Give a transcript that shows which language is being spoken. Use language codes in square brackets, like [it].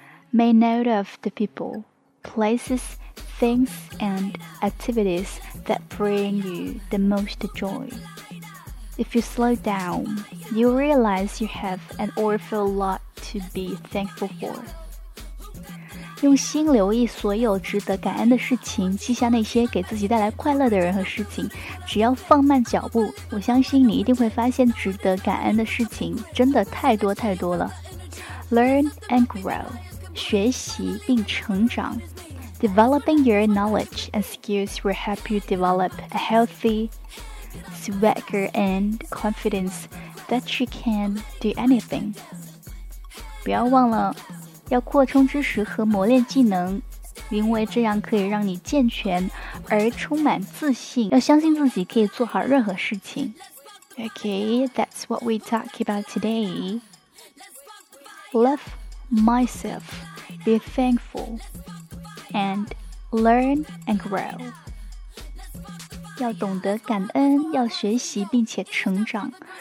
[en] Make note of the people, places, things, and activities that bring you the most joy. If you slow down, you realize you have an awful lot to be thankful for. [zh] 用心留意所有值得感恩的事情，记下那些给自己带来快乐的人和事情。只要放慢脚步，我相信你一定会发现值得感恩的事情真的太多太多了。 [en] Learn and grow, [zh] 学习并成长。 [en] Developing your knowledge and skills will help you develop a healthy,swagger and confidence that you can do anything. [zh] 不要忘了要扩充知识和磨练技能，因为这样可以让你健全而充满自信，要相信自己可以做好任何事情。 [en] Okay, that's what we talk about today. Love myself, be thankful, and learn and grow. [zh] 要懂得感恩，要学习并且成长。